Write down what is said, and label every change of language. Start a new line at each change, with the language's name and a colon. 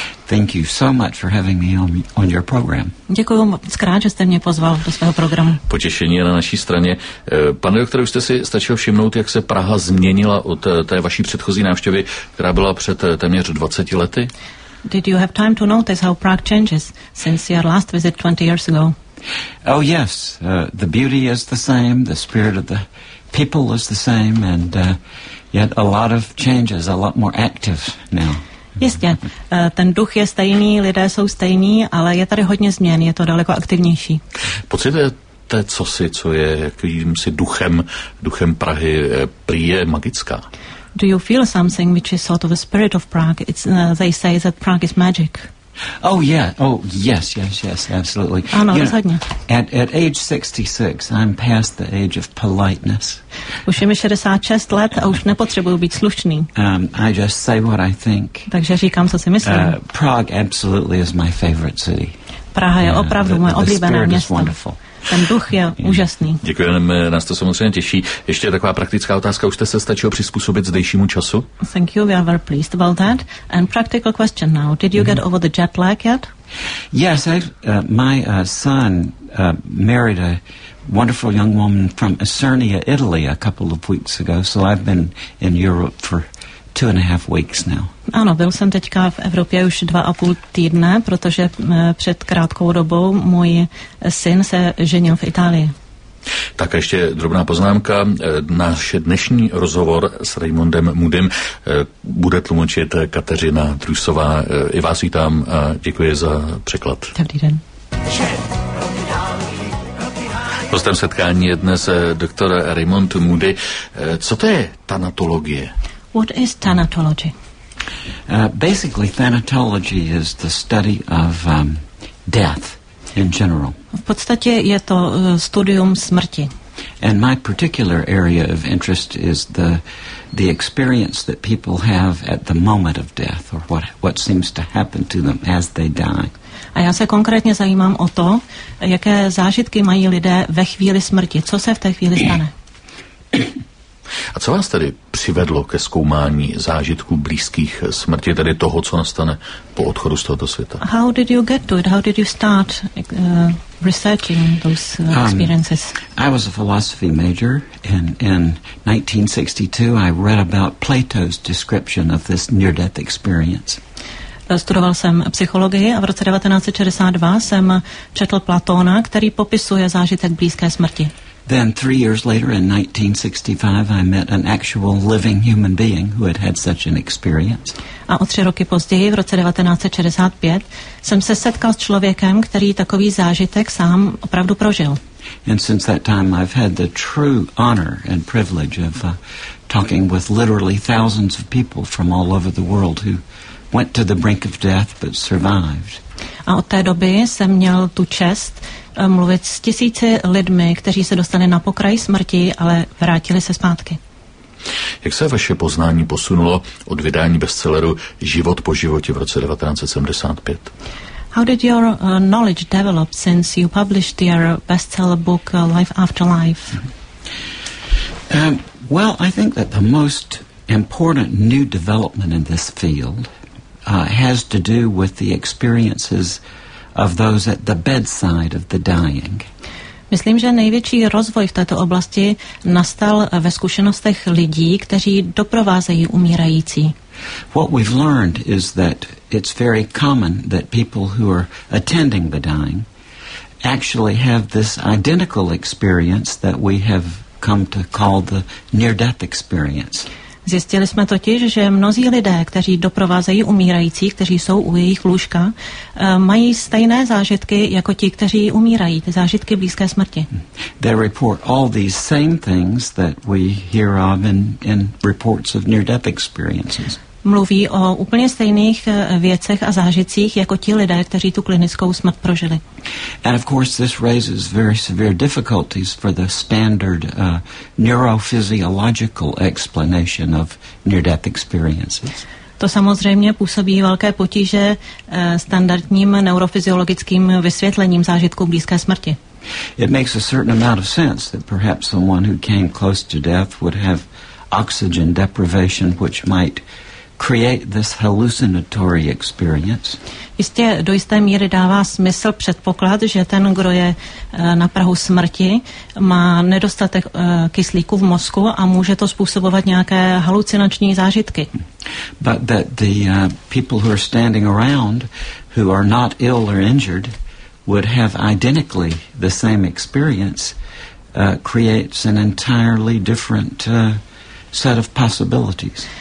English: Thank you so much for having me on your program.
Czech: Děkuji moc krát, že jste mě pozval do svého programu. Potěšení je na naší straně. Pane doktore, už jste si stačil všimnout, jak se Praha změnila od té vaší předchozí návštěvy, která byla před téměř 20 lety?
English: Did you have time to notice how Prague changes since your last visit 20 years ago? Oh yes, the beauty is the same, the spirit of the people is the same, and yet a lot of changes, a lot more active now.
Czech: Jistě, ten duch je stejný, lidé jsou stejní, ale je tady hodně změn, je to daleko aktivnější. Pocitujete cosi, co je jakýmsi duchem Prahy, prý je magická?
English: Do you feel something which is sort of a spirit of Prague? It's, they say that Prague is magic. Oh yeah, oh yes, yes, yes, absolutely.
Czech: Ano, you rozhodně.
English: At age 66, I'm past the age of politeness.
Czech: Už je mi 66 let a už nepotřebuju být slušný.
English: I just say what I think.
Czech: Takže říkám, co si myslím.
English: Prague absolutely is my favorite city.
Czech: Praha je opravdu moje oblíbené město. Ten duch je úžasný. Děkujeme, nás to samozřejmě těší. Ještě taková praktická otázka. Už jste se stačil přizpůsobit zdejšímu času?
English: Thank you, we are very pleased about that. And practical question now. Did you get over the jet lag yet? Yes, my son married a wonderful young woman from Acerna, Italy a couple of weeks ago, so I've been in Europe for 2.5 weeks now.
Czech: Ano, byl jsem teďka v Evropě už 2.5 týdne, protože před krátkou dobou můj syn se ženil v Itálii. Tak ještě drobná poznámka. Náš dnešní rozhovor s Raymondem Moodym bude tlumočit Kateřina Drusová. I vás vítám a děkuji za překlad. Dobrý den. Hostem setkání je dnes doktor Raymond Moody. Co to je tanatologie?
English: What is thanatology? Basically, thanatology is the study of death in general.
Czech: V podstatě je to studium smrti.
English: And my particular area of interest is the experience that people have at the moment of death, or what seems to happen to them as they die.
Czech: A já se konkrétně zajímám o to, jaké zážitky mají lidé ve chvíli smrti. Co se v té chvíli stane? A co vás tedy přivedlo ke zkoumání zážitků blízkých smrti, tedy toho, co nastane po odchodu z tohoto světa?
English: How did you get to it? How did you start researching those experiences? I was a philosophy major, and in 1962 I read about Plato's description of this near-death experience.
Czech: Studoval jsem psychologii a v roce 1962 jsem četl Platona, který popisuje zážitek blízké smrti.
English: Then 3 years later, in 1965, I met an actual living human being who had such an experience.
Czech: A o 3 roky později, v roce 1965, jsem se setkal s člověkem, který takový zážitek sám opravdu prožil.
English: And since that time, I've had the true honor and privilege of talking with literally thousands of people from all over the world who went to the brink of death but survived.
Czech: A od té doby jsem měl tu čest mluvit s tisíci lidmi, kteří se dostali na pokraj smrti, ale vrátili se zpátky. Jak se vaše poznání posunulo od vydání bestselleru Život po životě v roce 1975?
English: How did your knowledge develop since you published your bestseller book Life After Life? Well, I think that the most important new development in this field has to do with the experiences of those at the bedside of the dying.
Czech: Myslím, že největší rozvoj v této oblasti nastal ve zkušenostech lidí, kteří doprovázejí umírající.
English: What we've learned is that it's very common that people who are attending the dying actually have this identical experience that we have come to call the near-death experience.
Czech: Zjistili jsme totiž, že mnozí lidé, kteří doprovázejí umírající, kteří jsou u jejich lůžka, mají stejné zážitky jako ti, kteří umírají, ty zážitky blízké smrti.
English: They report all these same things that we hear of in reports of near-death experiences.
Czech: Mluví o úplně stejných věcech a zážitcích jako ti lidé, kteří tu klinickou smrt prožili.
English: And of course this raises very severe difficulties for the standard neurophysiological explanation of near-death experiences.
Czech: To samozřejmě působí velké potíže standardním neurofyziologickým vysvětlením zážitku blízké smrti.
English: It makes a certain amount of sense that perhaps someone who came close to death would have oxygen deprivation, which might create this hallucinatory experience.
Czech: Jistě do jisté míry dává smysl předpoklad, že ten, kdo je na prahu smrti, má nedostatek kyslíku v mozku a může to způsobovat nějaké halucinační zážitky.
English: But that the people who are standing around, who are not ill or injured, would have identically the same experience, creates an entirely different set of possibilities.